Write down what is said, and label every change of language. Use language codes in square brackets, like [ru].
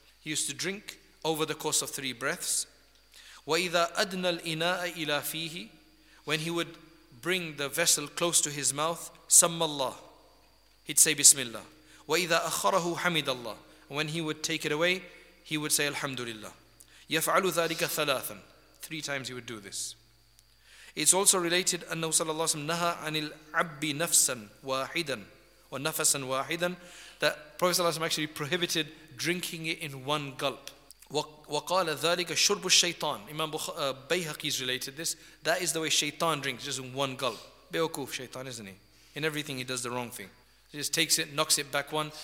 [en] He used to drink over the course of three breaths. [ar] Wa idha adna al-ina'a ila fihi. [en] When he would bring the vessel close to his mouth, sammallah. He'd say bismillah. [ar] Wa idha akharahu hamidallah. [en] When he would take it away, he would say alhamdulillah. [ar] يَفْعَلُ ذَلِكَ ثَلَاثًا. [en] Three times he would do this. It's also related, [ar] أَنَّهُ صَلَى اللَّهُ عَلَيْهِ وَسَلَّمْ نَهَى عَنِ الْعَبِّ نَفْسًا وَاحِدًا وَنَفَسًا وَاحِدًا. [en] That Prophet ﷺ actually prohibited drinking it in one gulp. [ar] وَقَالَ ذَلِكَ شُرْبُ الشَّيْطَانِ. [en] Imam Bayhaqi's related this. That is the way shaitan drinks, just in one gulp. Bayokuf, shaitan, isn't he? In everything he does the wrong thing. He just takes it, knocks it back one.